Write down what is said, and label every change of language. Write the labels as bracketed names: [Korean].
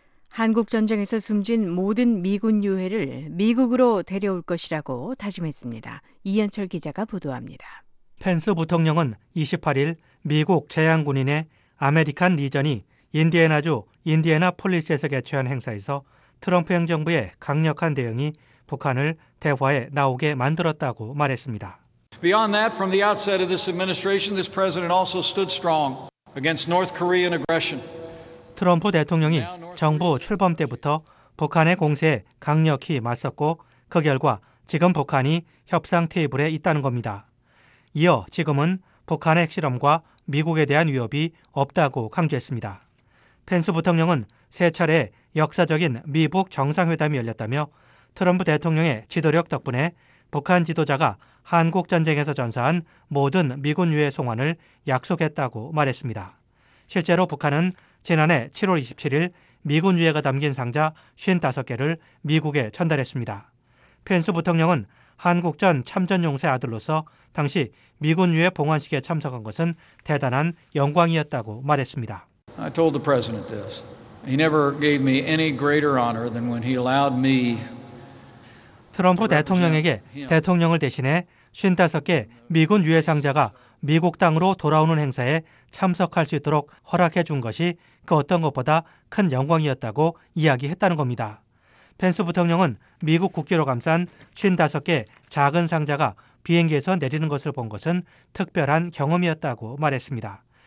[Korean] 한국전쟁에서 숨진 모든 미군 유해를 미국으로 데려올 것이라고 다짐했습니다. 이현철 기자가 보도합니다. 펜스 부통령은 28일 미국 제양군인의 아메리칸 리전이 인디애나주 인디애나폴리스에서 개최한 행사에서 트럼프 행정부의 강력한 대응이 북한을 대화에 나오게 만들었다고 말했습니다. [English] Beyond that, from the outset of this administration, this president also stood strong against North Korean aggression. [Korean] 트럼프 대통령이 정부 출범 때부터 북한의 공세에 강력히 맞섰고 그 결과 지금 북한이 협상 테이블에 있다는 겁니다. 이어 지금은 북한의 핵실험과 미국에 대한 위협이 없다고 강조했습니다. 펜스 부통령은 세 차례 역사적인 미북 정상회담이 열렸다며 트럼프 대통령의 지도력 덕분에 북한 지도자가 한국전쟁에서 전사한 모든 미군 유해 송환을 약속했다고 말했습니다. 실제로 북한은 지난해 7월 27일 미군 유해가 담긴 상자 55개를 미국에 전달했습니다. 펜스 부통령은 한국전 참전용사의 아들로서 당시 미군 유해 봉환식에 참석한 것은 대단한 영광이었다고 말했습니다. [English] I told the president this. He never gave me any greater honor than when he allowed me. [Korean] 트럼프 대통령에게 대통령을 대신해 55개 미군 유해 상자가 미국 땅으로 돌아오는 행사에 참석할 수 있도록 허락해 준 것이 그 어떤 것보다 큰 영광이었다고 이야기했다는 겁니다. 펜스 부통령은 미국 국기로 감싼 55개 작은 상자가 비행기에서 내리는 것을 본 것은 특별한 경험이었다고 말했습니다.